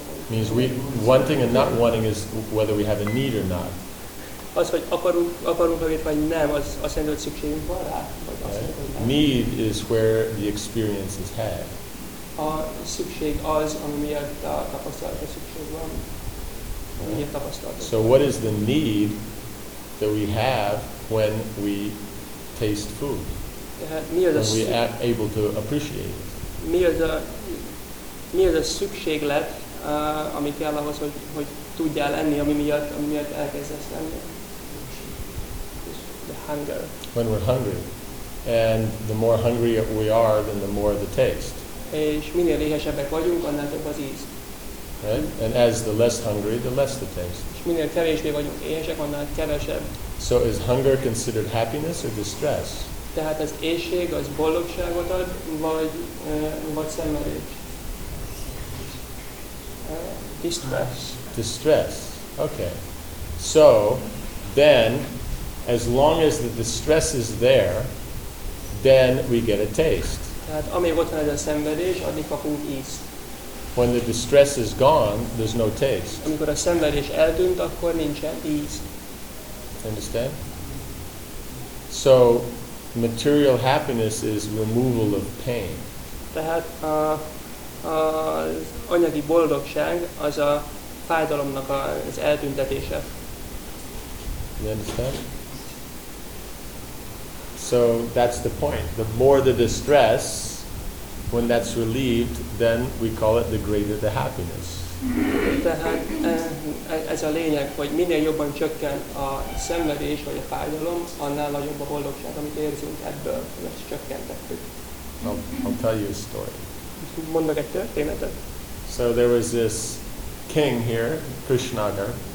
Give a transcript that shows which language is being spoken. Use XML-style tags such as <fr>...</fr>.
<en>Means we wanting and not wanting is whether we have a need or not.</en> <hu>Az, hogy akarunk vagy nem, az azt jelenti, hogy szükségünk van rá.</hu> <en>Need is where the experience is had.</en> <hu>A szükség az, ami miatt a tapasztalatra szükség van. Miért tapasztalat?</hu> <en>So what is the need that we have when we taste food? When we are able to appreciate it.</en> <hu>Mi az a szükséglet, ami kell ahhoz, hogy tudjál enni, ami miatt elkezdesz enni?</hu> <en>The hunger. When we're hungry. And the more hungry we are, then the more the taste.</en> <hu>És minél éhesebbek vagyunk, annál több az íz.</hu> <en>Right? And as the less hungry, the less the taste.</en> <hu>És minél kevésbé vagyunk éhesek, annál kevesebb.</hu> <en>So is hunger considered happiness or distress?</en> <hu>Tehát az éhség az boldogságot ad, vagy szenvedés?</hu> <en>Distress. Distress. Okay. So, then, as long as the distress is there, then we get a taste.</en> <hu>Tehát amíg ott van ez a szenvedés, addig kapunk ízt.</hu> <en>When the distress is gone, there's no taste.</en> <hu>Amikor a szenvedés eltűnt, akkor nincsen íz.</hu> <en>Understand? So, material happiness is removal of pain.</en> <hu>Tehát az anyagi boldogság az a fájdalomnak az eltüntetése.</hu> <en>You understand? So that's the point. The more the distress, when that's relieved, then we call it the greater the happiness.</en> <hu>Tehát ez a lényeg, hogy minél jobban csökken a szenvedés vagy a fájdalom, annál nagyobb a boldogság, amit érzünk ebből, ezt csökkentettük.</hu> <en>I'll tell you a story.</en> <hu>Mondok egy történetet.</hu> <en>So there was this king here, Krishnagar.</en>